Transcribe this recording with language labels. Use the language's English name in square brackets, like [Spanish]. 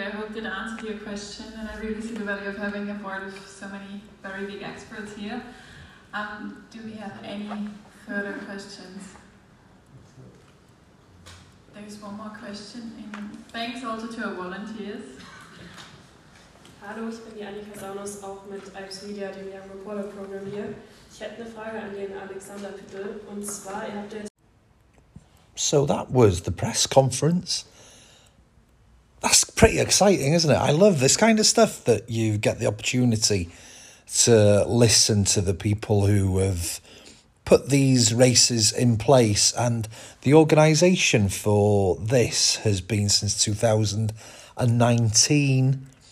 [English] I hope that answered your question, and I really see the value of having a board of so many very big experts here. Do we have any further questions? There's one more question. And thanks also to our volunteers. [German] Hallo, ich bin die Annika Saunus, auch mit Alps Media, dem Young Reporter Program hier. Ich hätte eine Frage an den Alexander Pippel, und zwar, ihr habt jetzt... [English] So that was the press conference. That's pretty exciting, isn't it? I love this kind of stuff, that you get the opportunity to listen to the people who have put these races in place. And the organisation for this has been since 2019.